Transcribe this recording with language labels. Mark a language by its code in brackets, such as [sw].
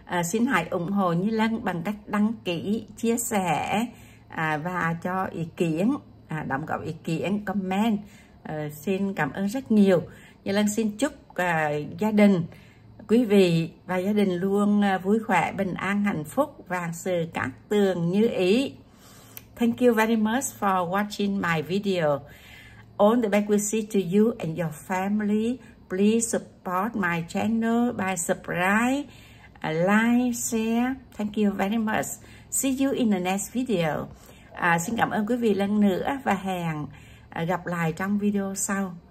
[vi] Xin hãy ủng hộ Như Lan bằng cách đăng ký, chia sẻ và cho ý kiến. Đóng góp ý kiến, comment. Xin cảm ơn rất nhiều. Như Lan xin chúc gia đình, quý vị và gia đình luôn vui khỏe, bình an, hạnh phúc và sự cát tường như ý. [en] Thank you very much for watching my video. All the best wishes to you and your family. Please support my channel by subscribe, like, share. Thank you very much. See you in the next video. [vi] Xin cảm ơn quý vị lần nữa và hẹn gặp lại trong video sau.